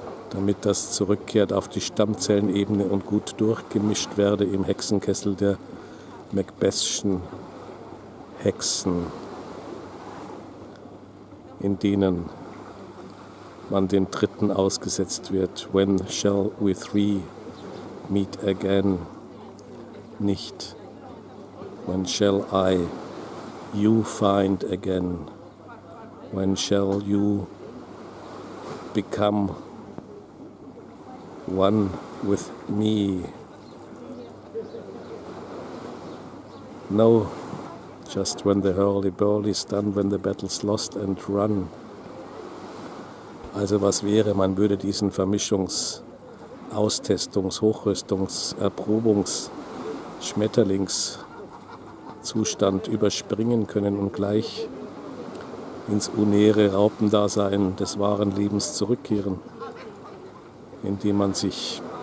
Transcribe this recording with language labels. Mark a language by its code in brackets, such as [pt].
[de] damit das zurückkehrt auf die Stammzellenebene und gut durchgemischt werde im Hexenkessel der Macbethschen Hexen, in denen man dem Dritten ausgesetzt wird. [en] When shall we three meet again? [de] Nicht [en] when shall I you find again? When shall you become one with me? No, just when the hurly-burly is done, when the battle's lost and run. [de] Also was wäre, man würde diesen Vermischungs-, Austestungs-, Hochrüstungs-, Erprobungs-, Schmetterlingszustand überspringen können und gleich ins unäre Raupendasein des wahren Lebens zurückkehren, indem man sich